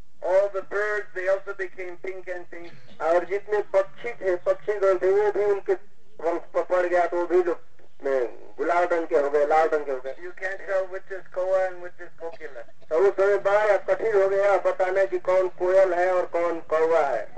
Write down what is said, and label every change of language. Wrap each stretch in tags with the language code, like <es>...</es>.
<en>All the birds they also became pink and pink.</en> <hi>और जितने पक्षी गण थे वो भी उनके रंग पड़ गया तो भी लोग गुलाल रंग के हो गए लाल रंग के हो गए.</hi> <en>You can't tell which is koa and which is kokila.</en> <hi>तो उस समय बड़ा कठिन हो गया बताने कि कौन कोयल है और कौन कौवा है.</hi>